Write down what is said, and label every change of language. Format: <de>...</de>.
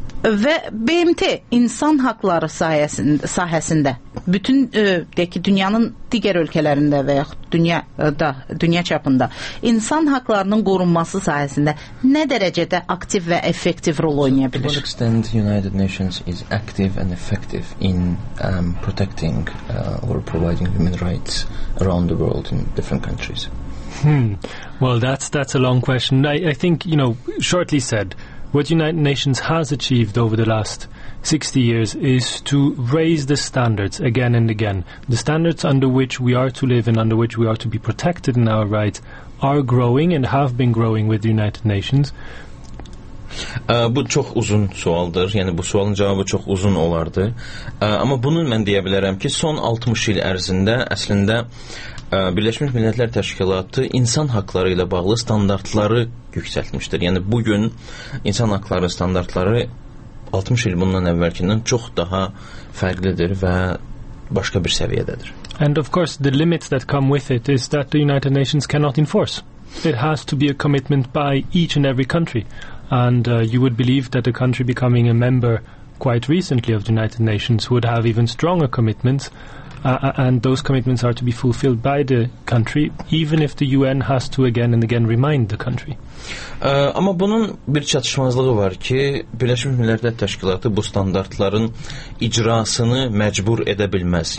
<az>Və BMT insan haqları sahəsində bütün dünyanın digər ölkələrində və yaxud dünya çapında insan haqlarının qorunması sahəsində nə dərəcədə aktiv və effektiv rol oynaya bilir?</az> <en>To what extent United Nations is active and effective in protecting or providing human rights around the world in different countries? Well, that's a long question. I think, you know, shortly said, what United Nations has achieved over the last 60 years is to raise the standards again and again. The standards under which we are to live and under which we are to be protected in our rights are growing and have been growing with the United Nations.</en> <az>Bu çox uzun sualdır. Yəni, bu sualın cavabı çox uzun olardı. Amma bunu mən deyə bilərəm ki, son 60 il ərzində əslində Birləşmiş Millətlər Təşkilatı insan haqları ilə bağlı standartları yüksəltmişdir. Yəni, bugün insan haqları standartları 60 il bundan əvvəlkindən çox daha fərqlidir və başqa bir səviyyədədir.</az> <en>And of course, the limits that come with it is that the United Nations cannot enforce. It has to be a commitment by each and every country. And you would believe that a country becoming a member quite recently of the United Nations would have even stronger commitments. And those commitments are to be fulfilled by the country, even if the UN has to again and again remind the country.</en> <az>Amma bunun bir çatışmazlığı var ki, Birləşmiş Millətlər Təşkilatı bu standartların icrasını məcbur edə bilməz.</az>